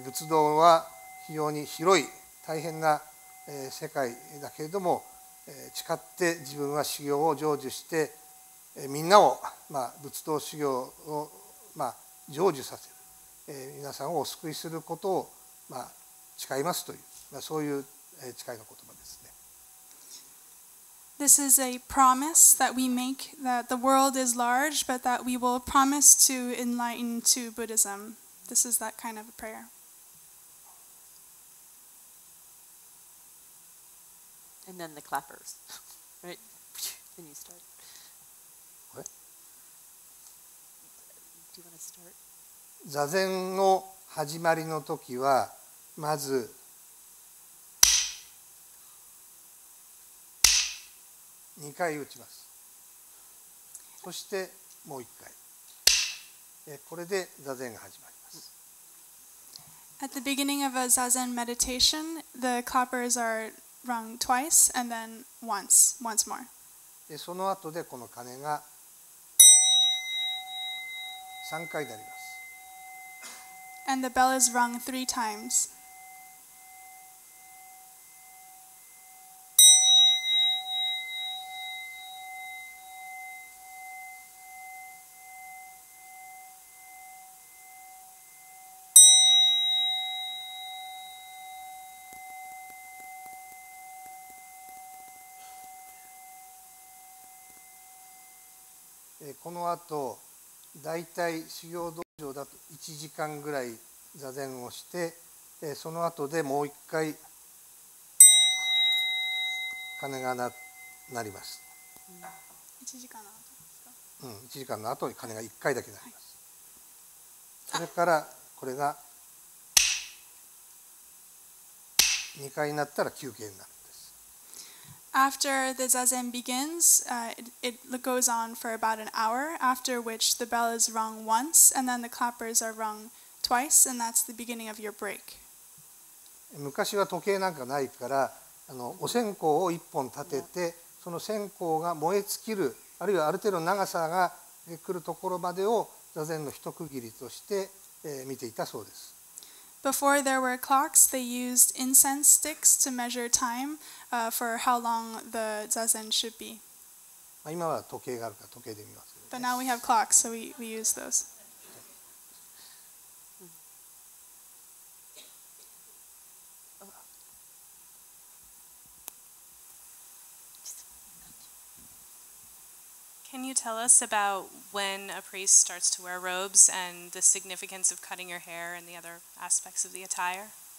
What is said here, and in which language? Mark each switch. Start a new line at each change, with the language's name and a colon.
Japanese: 仏道は非常に広い大変な、世界だけれども、誓って自分は修行を成就して、みんなを、まあ、仏道修行を、まあ、成就させる、皆さんをお救いすることを、まあ、誓いますという、まあ、そういう、誓いの言葉ですね。
English: This is a promise that we make that the world is large, but that we will promise to enlighten to Buddhism. This is that kind of a prayer. And then the clappers, right? Then you start. What? Do you want to start?
Japanese: 座禅の始まりの時はまず2回打ちます。そしてもう一回。これで座禅が始まります。
English: At the beginning of a zazen meditation, the coppers are rung twice and then once more.
Japanese: で、その後でこの鐘が三回であります。
English: And the bell is rung three times.
Japanese: このあと、大体修行道場だと1時間ぐらい座禅をして、その後でもう一回鐘が鳴ります。 1時間の後に鐘が1回だけ鳴ります。はい、それからこれが2回になったら休憩になる。
English: After the zazen begins, it goes on for about an hour, after which the bell is rung once, and then the clappers are rung twice, and that's the beginning of your break.
Japanese: 昔は時計なんかないから、お線香を1本立てて、その線香が燃え尽きる、あるいはある程度長さが来るところまでを座禅の一区切りとして、見ていたそうです。
English: Before there were clocks, they used incense sticks to measure time, for how long the zazen should be.
Japanese: 今は時計があるから時計で見ますよね。
English: But now we have clocks, so we use those. Can you tell us about when a priest starts to wear robes and the significance of cutting your hair and the other aspects of the attire?